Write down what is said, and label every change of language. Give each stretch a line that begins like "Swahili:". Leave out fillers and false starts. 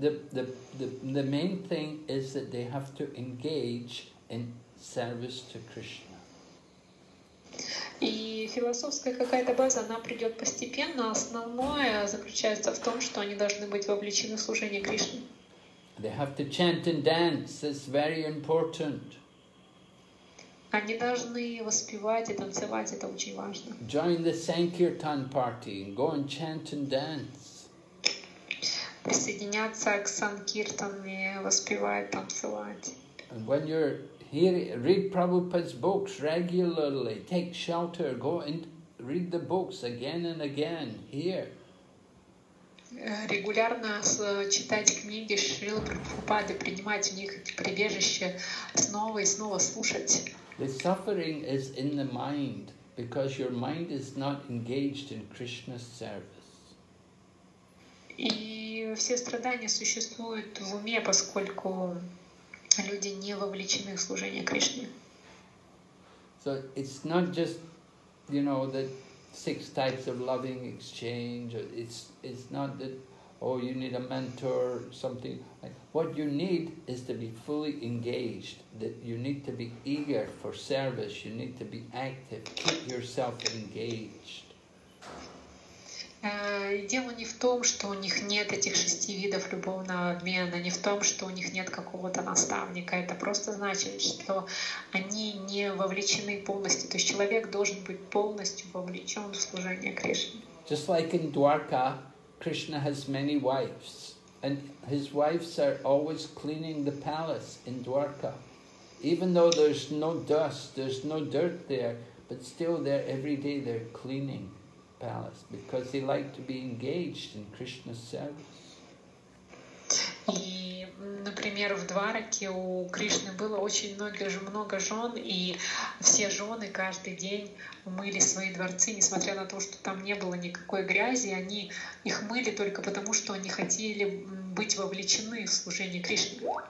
English: The main thing is that they have to engage in service to Krishna.
Russian: И философская какая-то база, она придет постепенно. Основное заключается в том, что они должны быть вовлечены в служение Кришне.
English: They have to chant and dance. It's very important.
Russian: Они должны воспевать и танцевать. Это очень важно.
English: Join the Sankirtan party and go and chant and dance.
Russian: Присоединяться к Санкиртане, воспевать, танцевать.
English: And when you're read Prabhupada's books regularly. Take shelter. Go and read the books again and again. Here.
Russian: Регулярно читать книги Шрилы Прабхупады, принимать в них прибежище, снова и снова слушать.
English: The suffering is in the mind because your mind is not engaged in Krishna's service.
Russian: И все страдания существуют в уме, поскольку люди не вовлечены в служение Кришне.
English: So it's not just, you know, the six types of loving exchange. It's not that oh, you need a mentor, something. What you need is to be fully engaged, that you need to be eager for service, you need to be active, keep yourself engaged.
Russian: Дело не в том, что у них нет этих шести видов любовного обмена, не в том, что у них нет какого-то наставника. Это просто значит, что они не вовлечены полностью. То есть человек должен быть полностью вовлечен в служение Кришне.
English: Just like in Dwarka, Krishna has many wives, and his wives are always cleaning the palace in Dwarka. Even though there's no dust, there's no dirt there, but still there every day they're cleaning palace because they like to be engaged in Krishna's service.
Russian: И, например, в Двараке у Кришны было очень много жен, и все жены каждый день мыли свои дворцы, несмотря на то, что там не было никакой грязи, они их мыли только потому, что они хотели быть вовлечены в служение Кришне.